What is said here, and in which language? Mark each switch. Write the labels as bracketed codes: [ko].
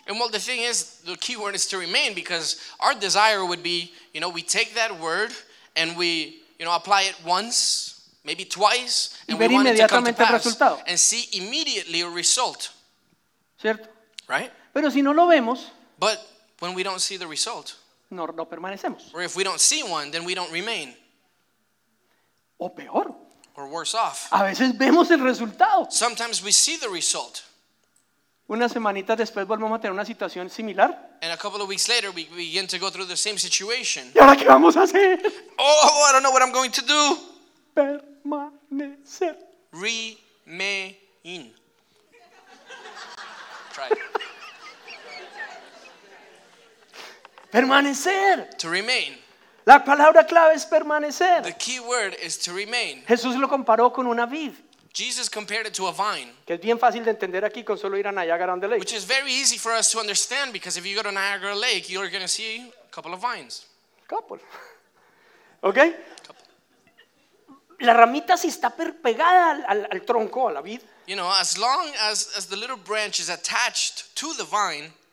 [en] And well, the thing is, the key word is to remain because our desire would be, you know, we take that word and we, you know, apply it once, maybe twice, and we want it to come to pass and see immediately a result. [es] ¿Cierto? [en] Right? [es] Pero si no lo vemos, [en] but when we don't see the result, [es] no permanecemos. [en] Or if we don't see one, then we don't remain. [es] O peor. [en] Or worse off. [es] A veces vemos el resultado. [en] Sometimes we see the result. [es] Una semanita después volvemos a tener una situación similar. [en] And a couple of weeks later we begin to go through the same situation. [es] ¿Y ahora qué vamos a hacer? [en] Oh, I don't know what I'm going to do. [es] Permanecer. [en] Remain. Try it. [es] Permanecer. [en] To remain. [es] La palabra clave es permanecer. [en] The key word is to remain. [es] Jesús lo comparó con una vid. [en] Jesus compared it to a vine. [es] Que es bien fácil de entender aquí con solo ir a Niagara on the Lake. [en] Which is very easy for us to understand because if you go to Niagara Lake, you're going to see a couple of vines. Couple. Okay? [es] La ramita si está pegada al tronco, a la vid. [en] You know, as long as the little branch is attached to the vine,